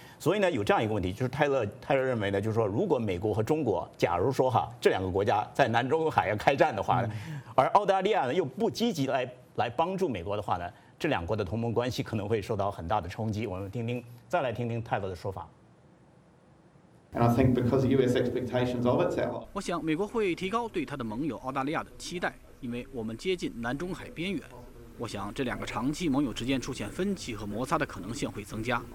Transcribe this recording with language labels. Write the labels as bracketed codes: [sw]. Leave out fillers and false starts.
[zh] 所以呢，有这样一个问题，就是泰勒认为呢，就是说如果美国和中国，假如说哈这两个国家在南中国海要开战的话，而澳大利亚呢又不积极来帮助美国的话呢，这两国的同盟关系可能会受到很大的冲击。我们听听，再来听听泰勒的说法。 [en] And I think because of US expectations of its ally. [zh] 我想美国会提高对它的盟友澳大利亚的期待，因为我们接近南中海边缘。我想这两个长期盟友之间出现分歧和摩擦的可能性会增加。